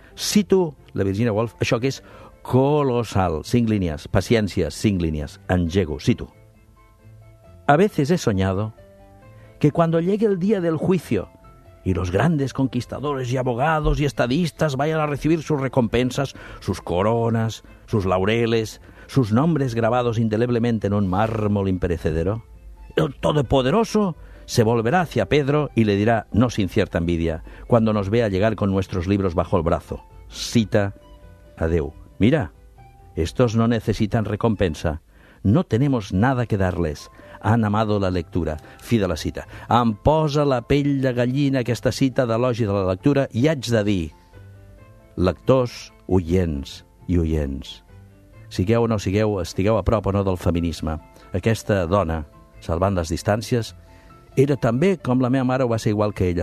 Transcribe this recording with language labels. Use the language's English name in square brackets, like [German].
[Catalan] Cito la Virginia Woolf, això que és colosal, cinc línies, paciència, cinc línies, engego, cito. [Spanish] A veces he soñado que cuando llegue el día del juicio y los grandes conquistadores y abogados y estadistas vayan a recibir sus recompensas, sus coronas, sus laureles, sus nombres grabados indeleblemente en un mármol imperecedero, el Todopoderoso se volverá hacia Pedro y le dirá, no sin cierta envidia, cuando nos vea llegar con nuestros libros bajo el brazo. [Catalan] Cita a Déu. [Spanish] Mira, estos no necesitan recompensa. No tenemos nada que darles. Han amado la lectura. [Catalan] Fi de la cita. Em posa la pell de gallina aquesta cita d'elogi de la lectura i haig de dir, lectors, oients i oients, sigueu o no sigueu, estigueu a prop o no del feminisme, aquesta dona, salvant les distàncies, era també com la meva mare o va ser igual que ella.